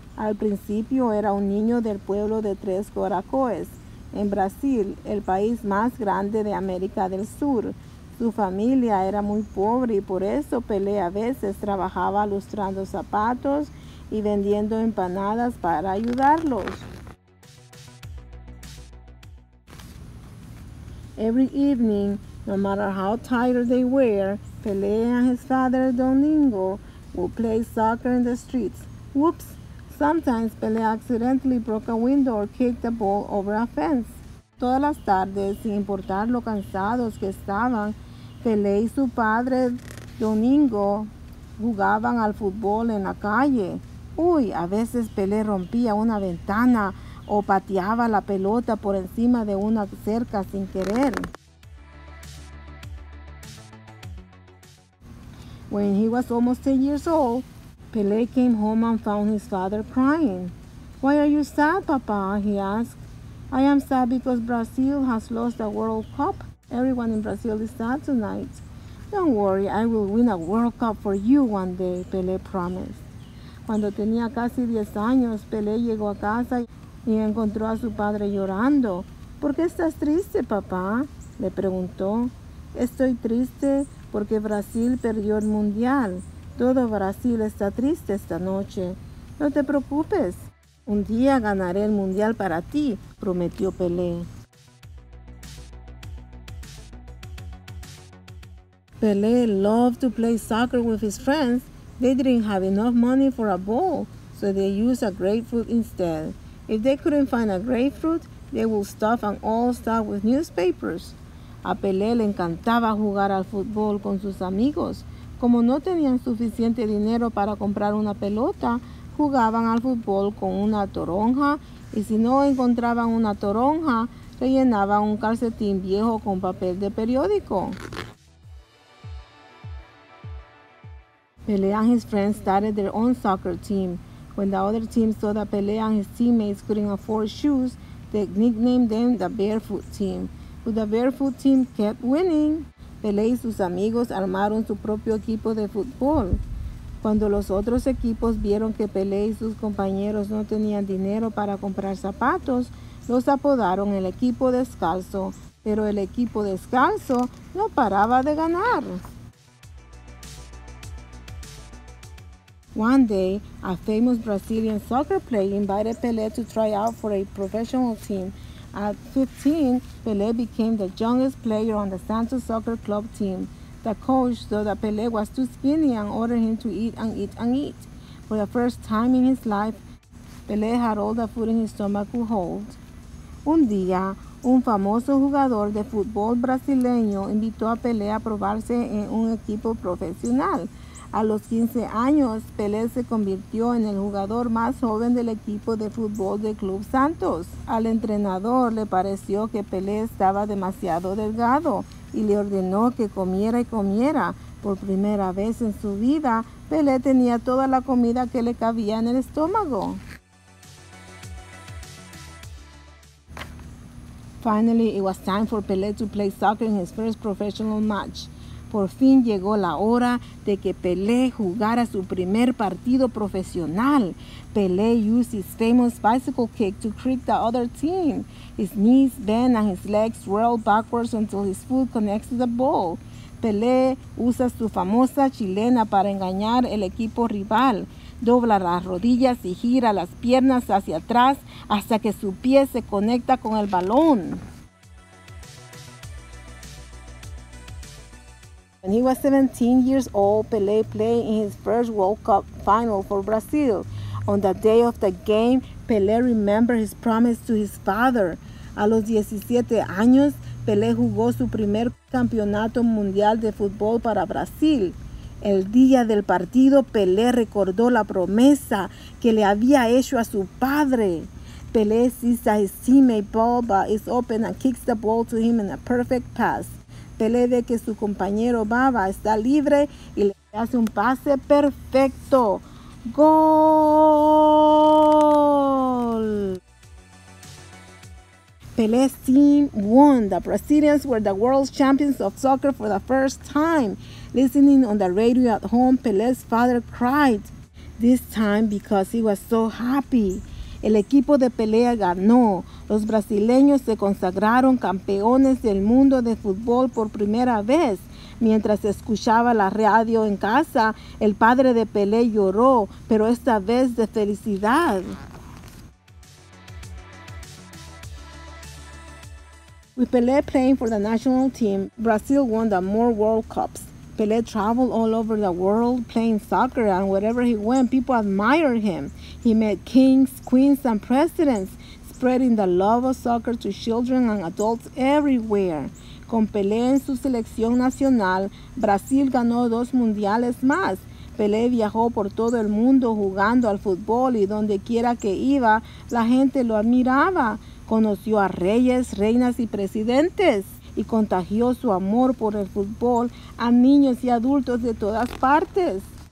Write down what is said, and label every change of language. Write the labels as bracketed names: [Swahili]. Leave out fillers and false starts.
[Spanish] Al principio era un niño del pueblo de Tres Coracoes, en Brasil, el país más grande de América del Sur. Su familia era muy pobre y por eso Pelé a veces trabajaba lustrando zapatos y vendiendo empanadas para ayudarlos. [English] Every evening, no matter how tired they were, Pelé and his father Domingo would play soccer in the streets. Whoops! Sometimes Pelé accidentally broke a window or kicked the ball over a fence. [Spanish] Todas las tardes, sin importar lo cansados que estaban, Pelé y su padre Domingo jugaban al fútbol en la calle. Uy, a veces Pelé rompía una ventana o pateaba la pelota por encima de una cerca sin querer. [English] When he was almost 10 years old, Pelé came home and found his father crying. Why are you sad, Papa? He asked. I am sad because Brazil has lost the World Cup. Everyone in Brazil is sad tonight. Don't worry, I will win a World Cup for you one day, Pelé promised. [Spanish] Cuando tenía casi 10 años, Pelé llegó a casa y encontró a su padre llorando. ¿Por qué estás triste, papá? Le preguntó. Estoy triste porque Brasil perdió el mundial. Todo Brasil está triste esta noche. No te preocupes. Un día ganaré el mundial para ti, prometió Pelé. [English] Pelé loved to play soccer with his friends. They didn't have enough money for a ball, so they used a grapefruit instead. If they couldn't find a grapefruit, they would stuff an old sack with newspapers. [Spanish] A Pelé le encantaba jugar al fútbol con sus amigos. Como no tenían suficiente dinero para comprar una pelota, jugaban al fútbol con una toronja, y si no encontraban una toronja, rellenaban un calcetín viejo con papel de periódico. [English] Pelé and his friends started their own soccer team. When the other team saw that Pelé and his teammates couldn't afford shoes, they nicknamed them the Barefoot Team. But the Barefoot Team kept winning. [Spanish] Pelé y sus amigos armaron su propio equipo de fútbol. Cuando los otros equipos vieron que Pelé y sus compañeros no tenían dinero para comprar zapatos, los apodaron el equipo descalzo. Pero el equipo descalzo no paraba de ganar. [English] One day, a famous Brazilian soccer player invited Pelé to try out for a professional team. At 15, Pelé became the youngest player on the Santos Soccer Club team. The coach saw that Pelé was too skinny and ordered him to eat and eat and eat. For the first time in his life, Pelé had all the food in his stomach could hold. [Spanish] Un día, un famoso jugador de fútbol brasileño invitó a Pelé a probarse en un equipo profesional. A los 15 años, Pelé se convirtió en el jugador más joven del equipo de fútbol del Club Santos. Al entrenador le pareció que Pelé estaba demasiado delgado y le ordenó que comiera y comiera. Por primera vez en su vida, Pelé tenía toda la comida que le cabía en el estómago. [English] Finally, it was time for Pelé to play soccer in his first professional match. [Spanish] Por fin llegó la hora de que Pelé jugara su primer partido profesional. [English] Pelé used his famous bicycle kick to kick the other team. His knees bent and his legs rolled backwards until his foot connects to the ball. [Spanish] Pelé usa su famosa chilena para engañar el equipo rival. Dobla las rodillas y gira las piernas hacia atrás hasta que su pie se conecta con el balón. [English] When he was 17 years old, Pelé played in his first World Cup final for Brazil. On the day of the game, Pelé remembered his promise to his father. [Spanish] A los 17 años, Pelé jugó su primer campeonato mundial de fútbol para Brasil. El día del partido, Pelé recordó la promesa que le había hecho a su padre. [English] Pelé sees that his teammate Bamba is open and kicks the ball to him in a perfect pass. [Spanish] Pelé ve que su compañero Bamba está libre y le hace un pase perfecto. ¡Gol! [English] Pelé's team won. The Brazilians were the world champions of soccer for the first time. Listening on the radio at home, Pelé's father cried, this time because he was so happy. [Spanish] El equipo de Pelé ganó. Los brasileños se consagraron campeones del mundo de fútbol por primera vez. Mientras escuchaba la radio en casa, el padre de Pelé lloró, pero esta vez de felicidad. [English] With Pelé playing for the national team, Brazil won the more World Cups. Pelé traveled all over the world playing soccer, and wherever he went, people admired him. He met kings, queens, and presidents, spreading the love of soccer to children and adults everywhere. [Spanish] Con Pelé en su selección nacional, Brasil ganó dos mundiales más. Pelé viajó por todo el mundo jugando al fútbol y donde quiera que iba, la gente lo admiraba. Conoció a reyes, reinas y presidentes y contagió su amor por el fútbol a niños y adultos de todas partes.